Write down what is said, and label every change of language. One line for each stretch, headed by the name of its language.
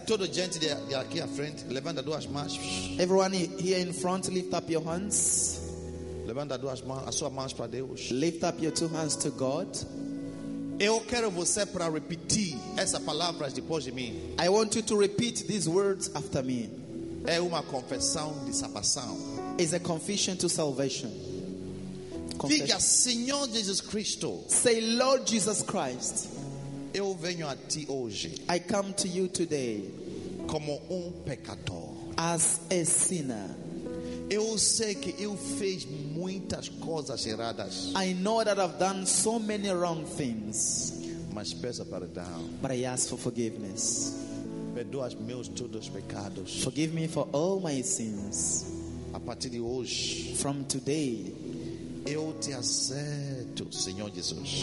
Portuguese: todo gente de aqui à frente, levanta duas mãos.
English: Everyone here in front, lift up your hands.
Portuguese: Levanta duas mãos, as suas mãos para Deus.
English: Lift up your two hands to God.
Portuguese: Eu quero você para repetir essa palavra depois de mim.
English: I want you to repeat these words after me.
Portuguese: É uma confissão de salvação.
English: It's a confession to salvation.
Portuguese: Diga, Senhor Jesus Cristo.
English: Say, Lord Jesus Christ.
Portuguese: Eu venho a ti hoje.
English: I come to you today.
Portuguese: Como pecador.
English: As a sinner.
Portuguese: Eu sei que eu fiz muitas coisas erradas.
English: I know that I've done so many wrong things.
Portuguese: Mas peço perdão.
English: But I ask for forgiveness.
Portuguese: Perdoa os meus todos pecados.
English: Forgive me for all my sins.
Portuguese: A partir de hoje.
English: From today.
Portuguese: Eu te aceito, Senhor Jesus.